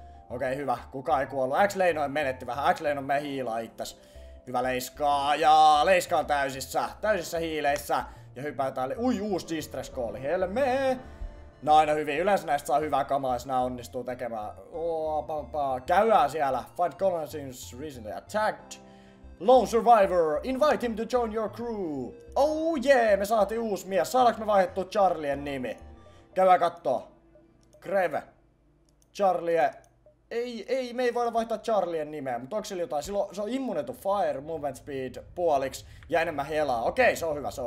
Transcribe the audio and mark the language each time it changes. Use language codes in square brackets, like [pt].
[fi] Okei, hyvä. Kuka ei kuollut? X-Leinon menetti vähän. X-Leinon me hiilaa itses. Hyvä leiskaa. Ja leiska on täysissä. Täysissä hiileissä. Ja hypätään... Ui, uusi distress call. Helme! No aina hyvin. Yleensä näistä saa hyvää kamaa, jos nää onnistuu tekemään. Käyään siellä. [en] Find colonel seems recently attacked. Lone survivor, invite him to join your crew. Oh yeah, [fi] me saatiin uusi mies. Saadaanko me vaihdettua Charlien nimi? Käydään kattoo. Greve. Charlie. Ei, me ei voida vaihtaa Charlien nimeä. Mutta onko sillä jotain? Se on [en] immune to fire, [fi] movement speed puoliksi. Ja enemmän helaa. Okei, okay, se on hyvä.